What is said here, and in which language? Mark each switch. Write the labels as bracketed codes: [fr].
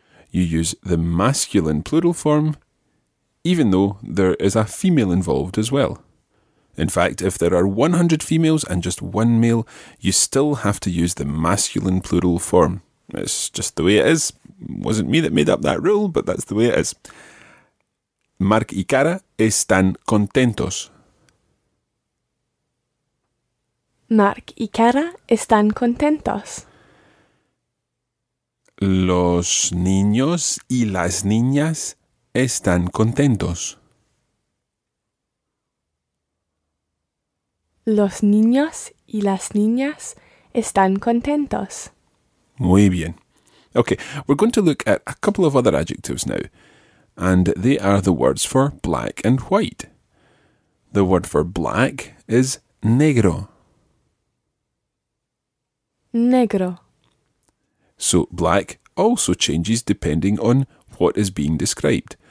[en] You use the masculine plural form, even though there is a female involved as well. In fact, if there are 100 females and just one male, you still have to use the masculine plural form. It's just the way it is. Wasn't me that made up that rule, but that's the way it is. [es] Mark y Cara están contentos. Mark y Cara están contentos. Los niños y las niñas están contentos. Los niños y las niñas están contentos. Muy bien. [en] Okay, we're going to look at a couple of other adjectives now, and they are the words for black and white. The word for black is negro. [es] Negro. [en] So black also changes depending on what is being described.